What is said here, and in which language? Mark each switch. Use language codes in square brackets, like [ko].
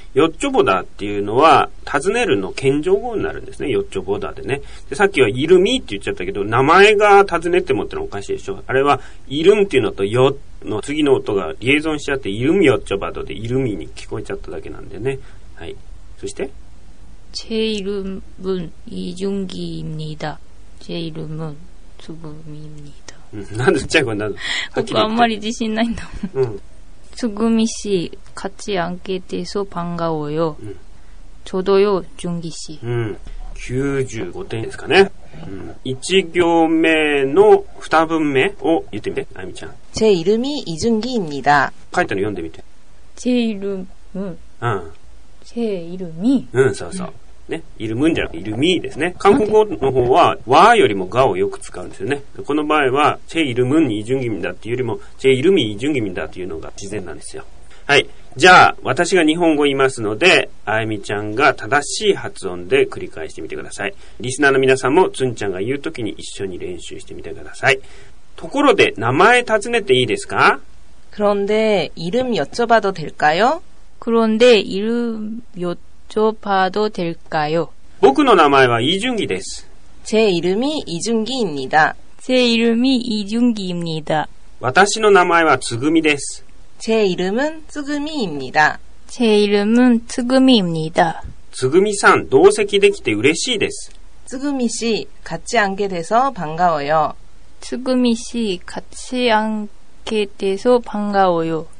[ja] 여쭤보다っていうのは、尋ねるの謙譲語になるんですね。여쭤보다でね。で、さっきは、이름이って言っちゃったけど、名前が尋ねてもってのはおかしいでしょ。あれは、이름っていうのと、여の次の音がリエゾンしちゃって、이름여쭤봐도で、이름이に聞こえちゃっただけなんでね。はい。そして？ [ko] 제이름은、이준기입니다。 제이름은、つぐみみだ。 [ja] なんでちっちゃい声なの？僕あんまり自信ないんだもん。うん。 [ko] つぐみ氏、같이앉게돼서반가워요。ちょうどよ、준기씨。 [ja] うん。95点ですかね。うん。 1行目の2分目を言ってみて、あゆみちゃん。 [ko] 제이름이이준기입니다。 [ja] 書いたの読んでみて。 [ko] 제이름은。 [ja] うん。 [ko] 제이름이。 [ja] うん、そうそう。ね、イルムンじゃなくてイルミーですね。韓国語の方は、わーよりもがをよく使うんですよね。この場合は、チェイルムンイジュンギミだっていうよりも、チェイルミイジュンギミだっていうのが自然なんですよ。はい。じゃあ、私が日本語言いますので、あゆみちゃんが正しい発音で繰り返してみてください。リスナーの皆さんも、つんちゃんが言うときに一緒に練習してみてください。ところで、名前尋ねていいですか？ [ko] 그런데、이름여쭤봐도될까요？ 그런데、이름여쭤ちょぱどてるかよ。 [ja] 僕の名前はイジュンギです。 [ko] 제이름이이준기입니다。 제이름이이준기입니다。 [ja] 私の名前はつぐみです。 [ko] 제이름은つぐみ입니다。 제이름은つぐみ입니다。 [ja] つぐみさん、同席できて嬉しいです。 [ko] つぐみ씨、같이앉게돼서반가워요。つぐみ씨、같이앉게돼서반가워요。